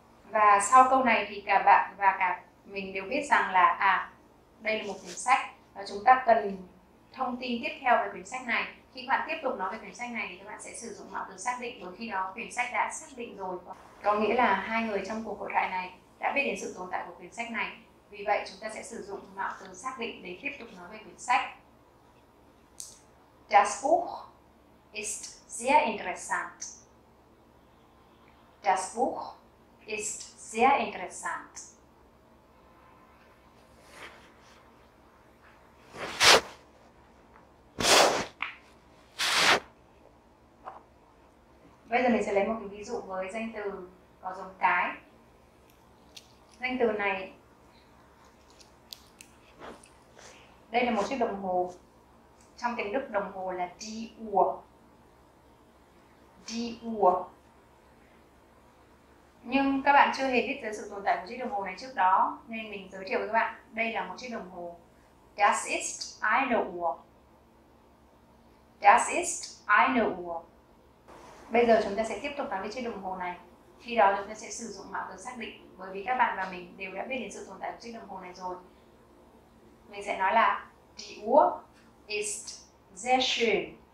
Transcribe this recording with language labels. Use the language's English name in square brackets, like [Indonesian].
[Vietnamese] Và sau câu này thì cả bạn và cả mình đều biết rằng là đây là một quyển sách và chúng ta cần thông tin tiếp theo về quyển sách này. Khi các bạn tiếp tục nói về quyển sách này thì các bạn sẽ sử dụng mạo từ xác định, đôi khi đó quyển sách đã xác định rồi. Có nghĩa là hai người trong cuộc hội thoại này đã biết đến sự tồn tại của quyển sách này. Vì vậy chúng ta sẽ sử dụng mạo từ xác định để tiếp tục nói về quyển sách. [German] Das Buch ist sehr interessant. Das Buch ist sehr interessant. [Vietnamese] Bây giờ mình sẽ lấy một cái ví dụ với danh từ có giống cái. Danh từ này, đây là một chiếc đồng hồ. Trong tiếng Đức đồng hồ là [German] die Uhr. Die Uhr. [Vietnamese] Nhưng các bạn chưa hề biết tới sự tồn tại của chiếc đồng hồ này trước đó, nên mình giới thiệu với các bạn, đây là một chiếc đồng hồ. [German] Das ist eine Uhr. Das ist eine Uhr. [Vietnamese] Bây giờ chúng ta sẽ tiếp tục nói về chiếc đồng hồ này. Khi đó chúng ta sẽ sử dụng mạo từ xác định, bởi vì các bạn và mình đều đã biết đến sự tồn tại của chiếc đồng hồ này rồi. Mình sẽ nói là [German] Die Uhr ist sehr schön.